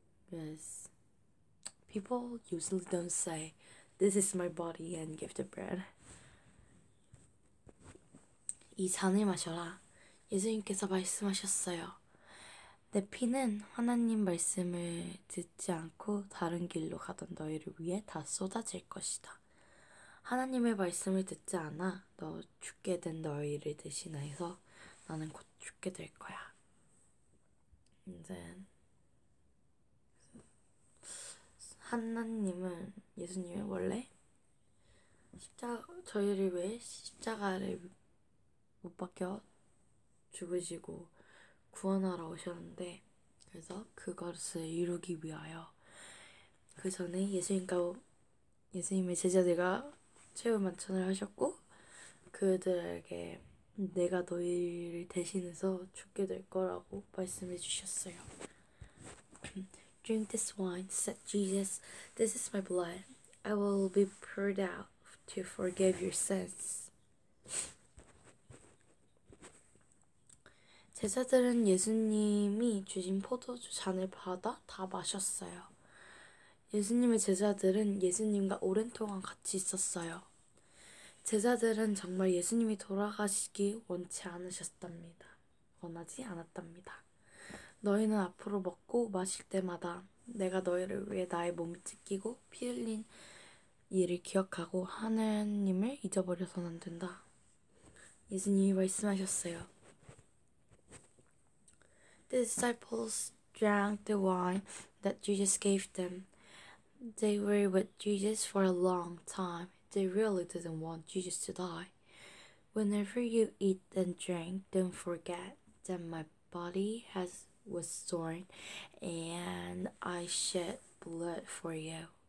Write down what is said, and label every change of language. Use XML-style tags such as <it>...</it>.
<en>Because people usually don't say, "This is my body," and give the bread.</en> <ko>이 잔을 마셔라. 예수님께서 말씀하셨어요. 내 피는 하나님 말씀을 듣지 않고 다른 길로 가던 너희를 위해 다 쏟아질 것이다. 하나님의 말씀을 듣지 않아 너 죽게 된 너희를 대신해서 나는 곧 죽게 될 거야. 이제 하나님은 예수님은 원래 저희를 위해 십자가를 못 박혀 죽으시고 구원하러 오셨는데 그래서 그것을 이루기 위하여 그 전에 예수님과 예수님의 제자들과 최후 만찬을 하셨고 그들에게 내가 너희를 대신해서 죽게 될 거라고 말씀해 주셨어요.</ko> <en>Drink this wine, said Jesus. This is my blood. I will be poured out to forgive your sins.</en> <ko>제자들은 예수님이 주신 포도주 잔을 받아 다 마셨어요. 예수님의 제자들은 예수님과 오랜 동안 같이 있었어요. 제자들은 정말 예수님이 돌아가시기 원치 않으셨답니다. 원하지 않았답니다. 너희는 앞으로 먹고 마실 때마다 내가 너희를 위해 나의 몸을 찢기고 피 흘린 일을 기억하고 하느님을 잊어버려서는 안 된다. 예수님이 말씀하셨어요.</ko> <en>The disciples drank the wine that Jesus gave them. They were with Jesus for a long time. They really didn't want Jesus to die. Whenever you eat and drink, don't forget that my body was torn and I shed blood for you.</en>